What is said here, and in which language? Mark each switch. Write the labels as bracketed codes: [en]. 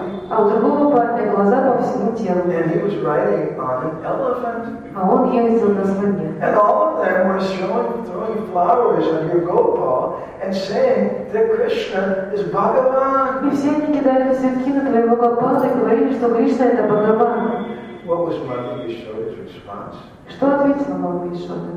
[ru] А у другого парня глаза по всему телу. [en] And he was riding on an elephant. [ru] А он ездил на слоне. [en] And all of them were throwing flowers on your Gopal and saying that Krishna is Bhagavan. [ru] И все они кидали цветки на твоего Гопала и говорили, что Кришна это Бхагаван. [en] What was Mother Yashoda's response? [ru] Что ответила мама Яшода?